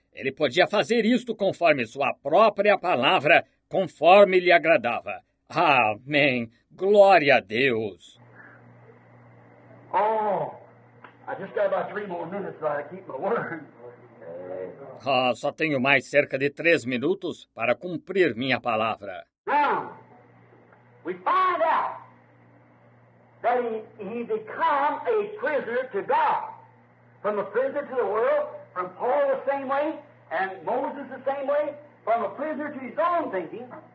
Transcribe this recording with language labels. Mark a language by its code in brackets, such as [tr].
[pt] Ele podia fazer isto conforme sua própria palavra, conforme lhe agradava. Amém. Glória a Deus. [en] Oh, I just got about 3 more minutes so I keep my word. [pt] Ah, só tenho mais cerca de 3 minutos para cumprir minha palavra. [en] Now, we find out that he became a prisoner to God. From a prisoner to the world, from Paul the same way, and Moses the same way, from a prisoner to his own thinking.